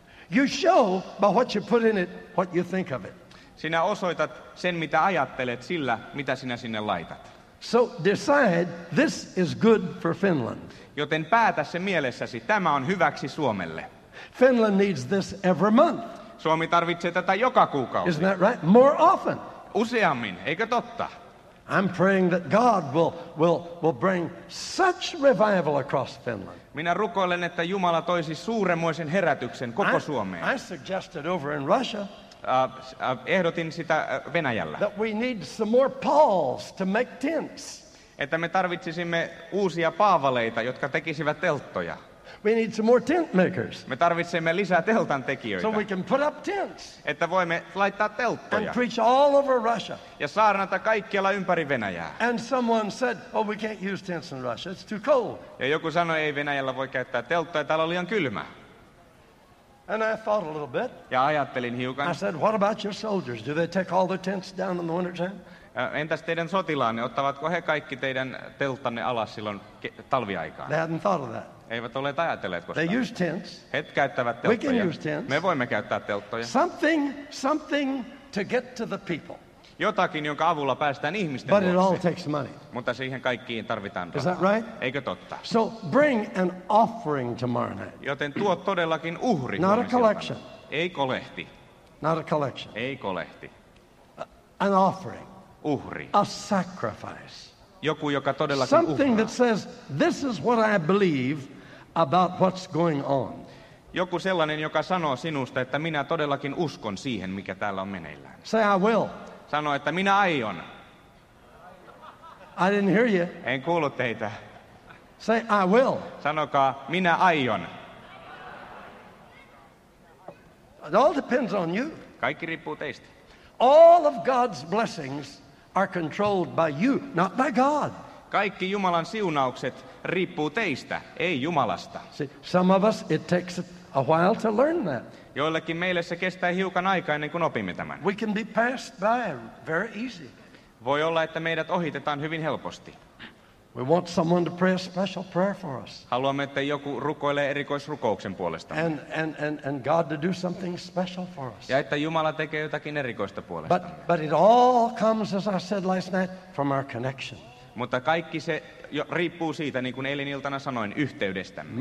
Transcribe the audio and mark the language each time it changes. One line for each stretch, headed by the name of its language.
English: You show by what you put in it what you think of it.
Finnish: Sinä osoitat sen mitä ajattelet sillä mitä sinä sinne laitat.
English: So decide this is good for Finland.
Finnish: Joten päätä se mielessäsi tämä on hyväksi Suomelle.
English: Finland needs this every month.
Finnish: Suomi tarvitsee tätä joka kuukausi.
English: Isn't that right? More often.
Finnish: Useammin, eikö totta?
English: I'm praying that God will bring such revival across Finland.
Finnish: Minä rukoilen, että Jumala toisi suuremmoisen herätyksen koko Suomeen.
English: I suggested over in Russia.
Finnish: Ehdotin sitä Venäjällä.
English: That we need some more Pauls to make tents.
Finnish: Että me tarvitsisimme uusia paavaleita, jotka tekisivät telttoja.
English: We need some more tent makers.
Finnish: Me tarvitsemme lisää teltan tekijöitä.
English: So we can put up tents.
Finnish: Että voimme laittaa telttoja.
English: And preach all over Russia.
Finnish: Ja saarnata kaikkialla ympäri Venäjää.
English: And someone said, "Oh, we can't use tents in Russia. It's too cold."
Finnish: Ja joku sanoi, ei Venäjällä voi käyttää telttoja, täällä on liian kylmä.
English: And I thought a little bit.
Finnish: Ja ajattelin hiukan.
English: I said, "What about your soldiers? Do they take all their tents down in the winter time?"
Finnish: Entäs teidän sotilaanne, ottavatko he kaikki teidän telttanne alas silloin talviaikaan?
English: They hadn't thought of that.
Finnish: Eivät ole ajatelleet koskaan.
English: They use tents.
Finnish: He käyttävät telttoja.
English: We can use tents.
Finnish: Me voimme käyttää telttoja.
English: Something to get to the people.
Finnish: Jotakin, jonka avulla päästään ihmisten luokse.
English: But it all takes money.
Finnish: Mutta siihen kaikkiin tarvitaan rahaa.
English: Is that right?
Finnish: Eikö totta?
English: So bring an offering tomorrow night.
Finnish: Joten tuo todellakin uhri.
English: Not a collection.
Finnish: Ei kolehti.
English: Not a collection.
Finnish: Ei kolehti.
English: An offering.
Finnish: Uhri.
English: A sacrifice.
Finnish: Joku, joka todellakin uhraa.
English: Something that says, this is what I believe about what's going on.
Finnish: Joku sellainen, joka sanoo sinusta, että minä todellakin uskon siihen, mikä täällä on meneillään.
English: Say I will.
Finnish: Sano, että minä aion.
English: I didn't hear you.
Finnish: En kuullut teitä.
English: Say I will.
Finnish: Sanokaa, minä aion.
English: It all depends on you.
Finnish: Kaikki riippuu teistä.
English: All of God's blessings are controlled by you, not by God.
Finnish: Kaikki Jumalan siunaukset riippuu teistä, ei Jumalasta.
English: See, some of us, it takes a while to learn that.
Finnish: Joillekin meille se kestää hiukan aikaa ennen kuin opimme tämän.
English: We can be passed by very easy.
Finnish: Voi olla, että meidät ohitetaan hyvin helposti.
English: We want someone to pray a special prayer for us.
Finnish: Haluamme, että joku rukoilee erikoisrukouksen puolestamme.
English: And God to do something special for us.
Finnish: Ja että Jumala tekee jotakin erikoista puolestamme.
English: But it all comes, as I said last night, from our connection.
Finnish: Mutta kaikki se riippuu siitä, niin kuin eilen iltana sanoin, yhteydestämme.